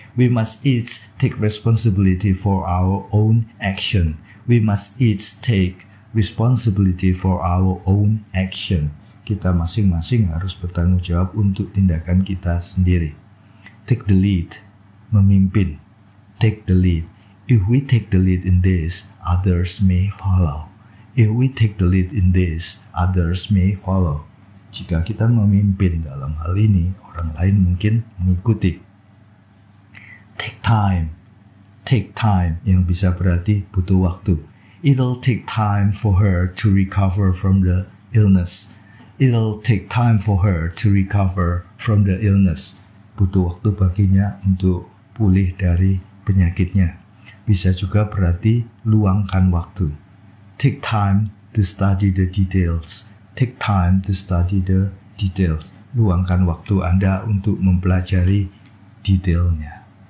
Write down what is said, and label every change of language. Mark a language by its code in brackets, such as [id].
[en] We must each take responsibility for our own action. We must each take responsibility for our own action. [id] Kita masing-masing harus bertanggung jawab untuk tindakan kita sendiri. [en] Take the lead. [id] Memimpin. [en] Take the lead. If we take the lead in this, others may follow. If we take the lead in this, others may follow. [id] Jika kita memimpin dalam hal ini, orang lain mungkin mengikuti. [en] Take time. Take time [id] yang bisa berarti butuh waktu. [en] It'll take time for her to recover from the illness. It'll take time for her to recover from the illness. [id] Butuh waktu baginya untuk pulih dari penyakitnya. Bisa juga berarti luangkan waktu. [en] Take time to study the details. Take time to study the details. [id] Luangkan waktu Anda untuk mempelajari detailnya.